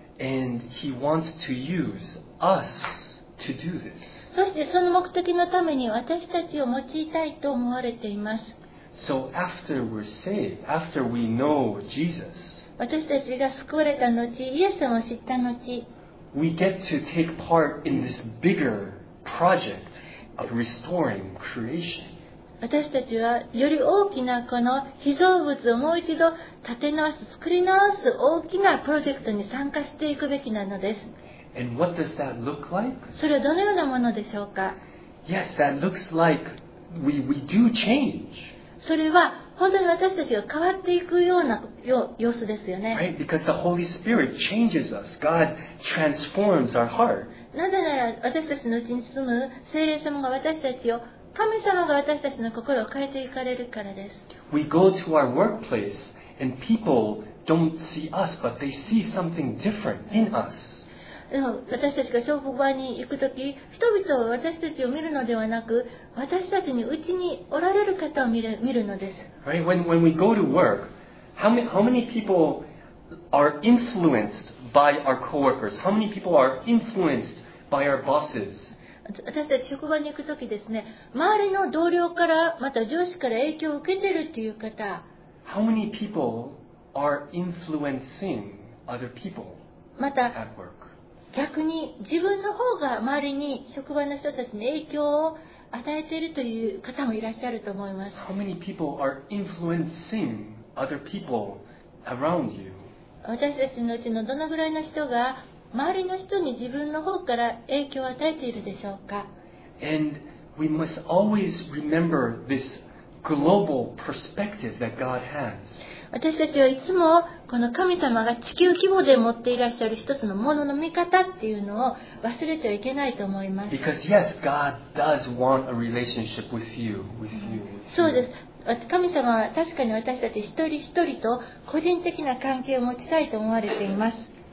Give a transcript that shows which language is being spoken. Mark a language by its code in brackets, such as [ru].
[en] And he wants to use us to do this. [ja] そしてその目的のために私たちを用いたいと思われています。 [en] So after we're saved, after we know Jesus, [ja] 私たちが救われた後、イエス様を知った後、 [en] we get to take part in this bigger project of restoring creation. [ja] 私たちはより大きなこの被造物をもう一度建て直す、作り直す大きなプロジェクトに参加していくべきなのです。 [en] And what does that look like? [ja] それはどのようなものでしょうか? [en] Yes, that looks like we do change. [ja] それは本当に私たちが変わっていくような様子ですよね。 [en] Right? Because the Holy Spirit changes us. God transforms our heart. [ja] なぜなら私たちのうちに住む聖霊様が私たちを、神様が私たちの心を変えていかれるからです。 [en] We go to our workplace and people don't see us, but they see something different in us. [ja] 私たちが職場に行くとき、人々は私たちを見るのではなく、私たちにうちにおられる方を見るのです。 [en] Right? When we go to work, how many people are influenced by our coworkers? How many people are influenced by our bosses? [ja] 私たち職場に行くときですね、周りの同僚からまた上司から影響を受けているという方、 [en] How many people are influencing other people at work? [ja] また逆に自分の方が周りに職場の人たちに影響を与えているという方もいらっしゃると思います。 [en] How many people are influencing other people around you? [ja] 私たちのうちのどのぐらいの人が周りの人に自分の方から影響を与えているでしょうか。 [en] And we must always remember this global perspective that God has. [ja] 私たちはいつもこの神様が地球規模で持っていらっしゃる一つのものの見方っていうのを忘れてはいけないと思います。 [en] Because yes, God does want a relationship with you, with you. [ja] そうです。神様は確かに私たち一人一人と個人的な関係を持ちたいと思われています。